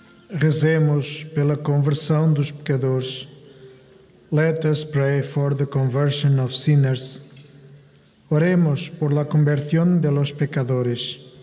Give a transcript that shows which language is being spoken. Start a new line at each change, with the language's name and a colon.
Portuguese: Rezemos pela conversão dos pecadores.
English: Let us pray for the conversion of sinners.
Spanish: Oremos por la conversión de los pecadores.